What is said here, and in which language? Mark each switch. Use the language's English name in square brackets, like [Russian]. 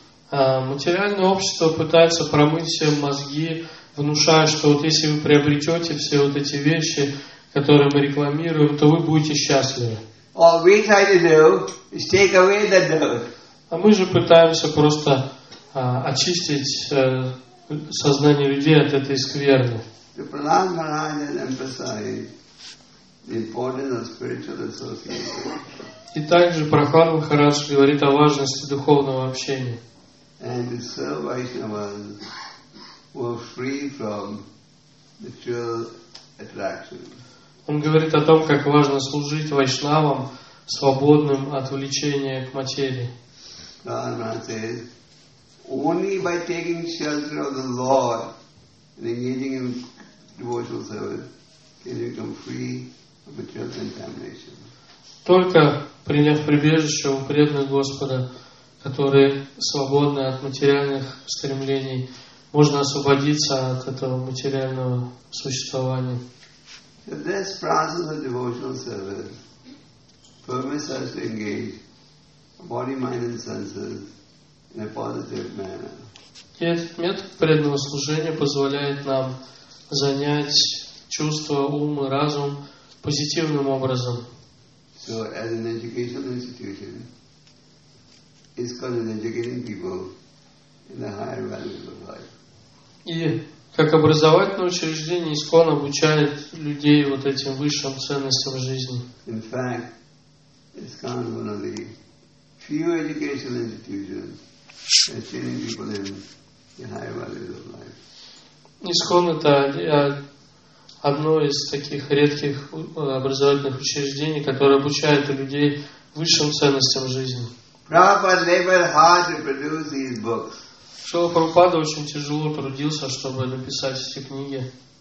[Russian] Материальное общество пытается промыть все мозги, внушая, что вот если вы приобретете все вот эти вещи, которые мы рекламируем, то вы будете счастливы. [English] All we try to do is take away the dirt. [Russian] А мы же пытаемся просто очистить сознание людей от этой скверны. [English] To Pranam Maharaja emphasize the importance of spiritual association. [Russian] И также Прохлад Махарадж говорит о важности духовного общения. [English] And to serve Vaishnavas who are free from material attraction. [Russian] Он говорит о том, как важно служить вайшнавам, свободным от влечения к материи. [English] Prabhupada says, only by taking shelter of the Lord and engaging in devotional service can you become free of material contamination. [Russian] Только приняв прибежище у преданных Господа, которые свободны от материальных стремлений, можно освободиться от этого материального существования. [English] This process of devotional service permits us to engage body, mind and senses in a positive manner. [Russian] И этот метод преданного служения позволяет нам занять чувства, ум и разум позитивным образом. [English] So, as an educational institution, it's called educating people in the higher values of life. [Russian] И как образовательное учреждение, ИСККОН обучает людей вот этим высшим ценностям жизни. [English] In fact, ИСККОН is one of the few educational institutions that training people in the higher values of life. [Russian] ИСККОН это одно из таких редких образовательных учреждений, которое обучает людей высшим ценностям жизни. [English] Prabhupada labored hard to produce these books. [Russian] Шрила Прабхупада очень тяжело трудился, чтобы написать эти книги.